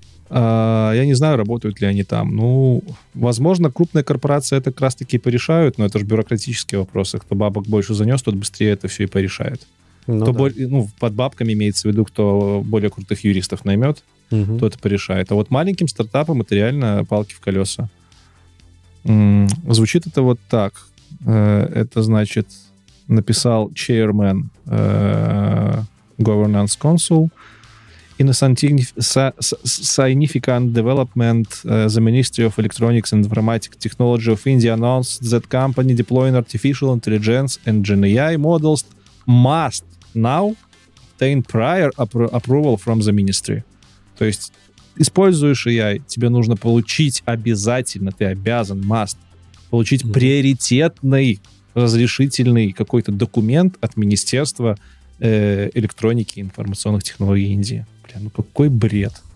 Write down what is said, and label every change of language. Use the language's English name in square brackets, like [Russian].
[Russian] Я не знаю, работают ли они там. Ну, возможно, крупные корпорации это как раз-таки порешают, но это же бюрократические вопросы. Кто бабок больше занес, тот быстрее это все и порешает. Ну, кто да. Ну, под бабками имеется в виду, кто более крутых юристов наймет, тот это порешает. А вот маленьким стартапам это реально палки в колеса. Звучит это вот так. Это значит, написал [English] chairman governance council in a significant development the Ministry of Electronics and Informatics Technology of India announced that company deploying artificial intelligence and GenAI models must now obtain prior approval from the ministry. [Russian] То есть используешь AI, тебе нужно получить обязательно, ты обязан, must, получить приоритетный разрешительный какой-то документ от Министерства электроники и информационных технологий Индии. Бля, ну какой бред.